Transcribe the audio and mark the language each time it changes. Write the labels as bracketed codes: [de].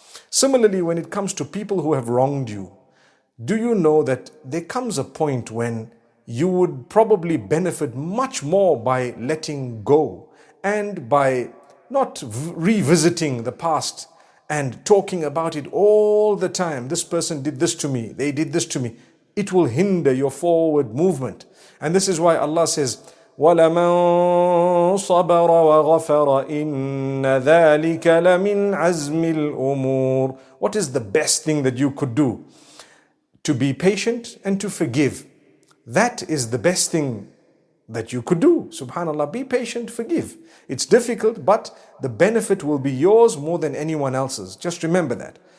[en] Similarly, when it comes to people who have wronged you, do you know that there comes a point when you would probably benefit much more by letting go and by not revisiting the past and talking about it all the time? This person did this to me, they did this to me. It will hinder your forward movement. And this is why Allah says, [ar] وَلَمَن صَبَرَ وَغَفَرَ إِنَّ ذَٰلِكَ لَمِنْ عَزْمِ الْأُمُورِ. [en] What is the best thing that you could do? To be patient and to forgive. That is the best thing that you could do. Subhanallah, be patient, forgive. It's difficult, but the benefit will be yours more than anyone else's. Just remember that.